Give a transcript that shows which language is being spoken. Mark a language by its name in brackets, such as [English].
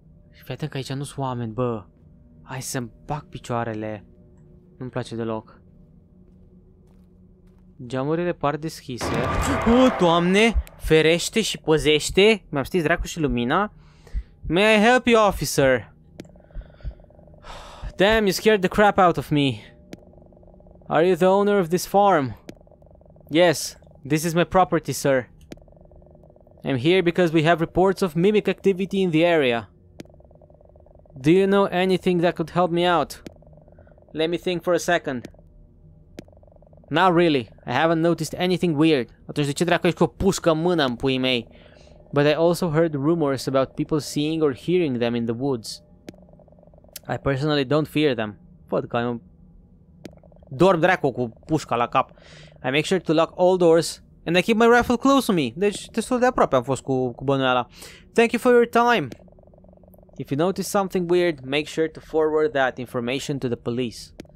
[Romanian] Și fii atent că aici nu sunt oameni, bă. Hai să-mi pac picioarele. Nu-mi place deloc. Geamurile par deschise. O, doamne, ferește și păzește. Mi-am stins dracu și lumina. [English] May I help you, officer? Damn, you scared the crap out of me. Are you the owner of this farm? Yes, this is my property, sir. I'm here because we have reports of mimic activity in the area. Do you know anything that could help me out? Let me think for a second. Not really. I haven't noticed anything weird. [Romanian] Atunci de ce dracu ești cu o pușcă în mână, în puii mei? [English] But I also heard rumors about people seeing or hearing them in the woods. I personally don't fear them. [Romanian] Văd că nu... Dorm dracu cu pușca la cap. [English] I make sure to lock all doors and I keep my rifle close to me. [Romanian] Deci destul de aproape am fost cu bănuiala. [English] Thank you for your time. If you notice something weird, make sure to forward that information to the police.